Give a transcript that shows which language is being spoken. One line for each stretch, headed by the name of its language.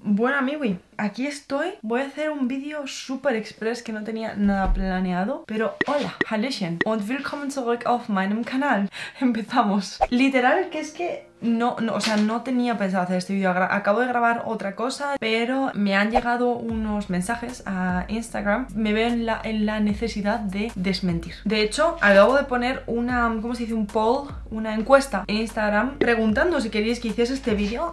Spanish: Bueno, amigui, aquí estoy. Voy a hacer un vídeo super express que no tenía nada planeado. Pero hola,
German: hallöchen und willkommen zurück auf meinem Kanal.
Spanish: Empezamos. Literal, que es que no tenía pensado hacer este vídeo. Acabo de grabar otra cosa, pero me han llegado unos mensajes a Instagram. Me veo en la necesidad de desmentir. De hecho, acabo de poner una, ¿cómo se dice? Un poll, una encuesta en Instagram preguntando si queríais que hiciese este vídeo.